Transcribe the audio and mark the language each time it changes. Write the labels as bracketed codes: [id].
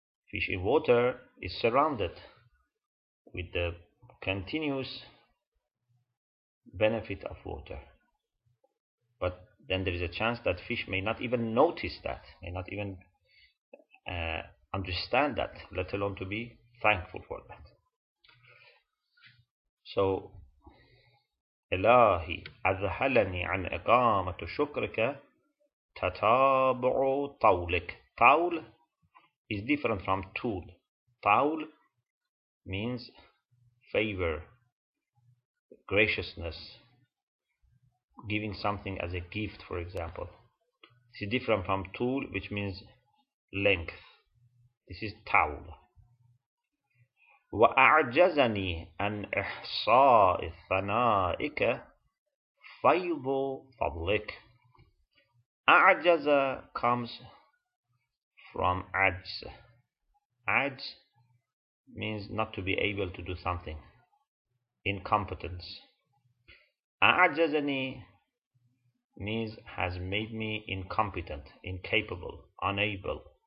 [en] Fish in water is surrounded with the continuous benefit of water. But then there is a chance that fish may not even notice that, may not even understand that, let alone to be thankful for that. [ar] So, إلهي أذهلني عن إقامة شكرك تتابع طولك. [en] طول is different from طول. طول means favor, graciousness, giving something as a gift, for example. This is different from طول, which means length. This is طول. [ar] وأعجزني أن إحصاء ثنائك فيض فضلك. [en] أعجز comes from عجز. عجز means not to be able to do something. Incompetence. أعجزني means has made me incompetent, incapable, unable.